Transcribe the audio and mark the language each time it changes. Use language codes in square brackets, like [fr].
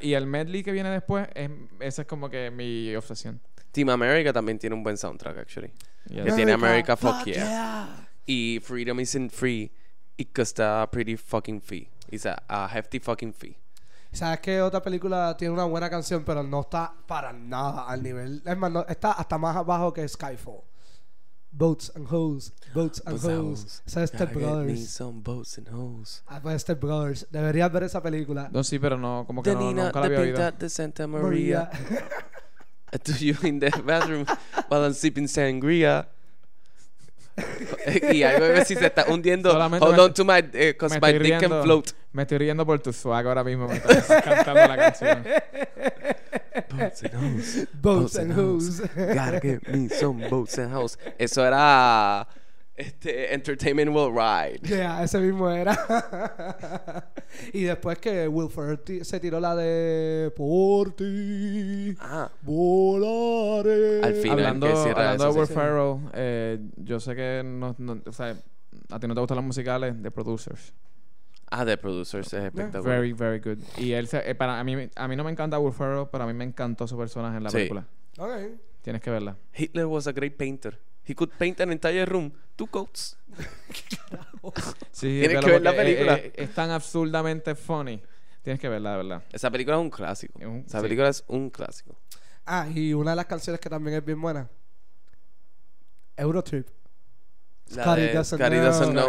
[es] Y el medley que viene después, esa es como que mi obsesión. Team America también tiene un buen soundtrack, actually. [en] Yes. [es] Que tiene America, [en] fuck yeah. [es] Y Freedom Isn't Free. [en] It cost a pretty fucking fee. It's a hefty fucking fee. [es] ¿Sabes qué? Otra película tiene una buena canción, pero no está para nada al nivel. Es más, no, está hasta más abajo que Skyfall. [en] Boats and Hoes. Boats and Hoes. [es] Esa es Step Brothers. [en] Need some boats and hoes. [es] Ah, pues Step Brothers. Deberías ver esa película. No, sí, pero no. Como que no, nunca la había oído. [en] The Pinta de Santa Maria. Do you in the bathroom while I'm sipping sangria? [es] Y ahí voy a ver si se está hundiendo. [en] Solamente hold on to my... Because my dick can float. [es] Me estoy riendo por tu swag ahora mismo. Me estás cantando la canción. [en] Boats and Hoes. Boats and Hoes. Gotta get me some boats and hoes. [es] Eso era... Entertainment Will Ride. Yeah, ese mismo era. Y después que Will Ferrell se tiró la de Por ti volaré. Al final, hablando de Will Ferrell, yo sé que no, o sea, a ti no te gustan los musicales de Producers. Ah, de Producers, es espectacular. [en] Very, very good. [es] Y él a mí no me encanta Will Ferrell, pero a mí me encantó su personaje en la película. [en] Okay. [es] Tienes que verla. [en] Hitler was a great painter. He could paint an entire room. Two coats. [es] Sí, tienes que ver la película. Es tan absurdamente funny. Tienes que verla, de verdad. Esa película es un clásico. Película es un clásico. Ah, y una de las canciones que también es bien buena. [en] Eurotrip. Scotty doesn't know.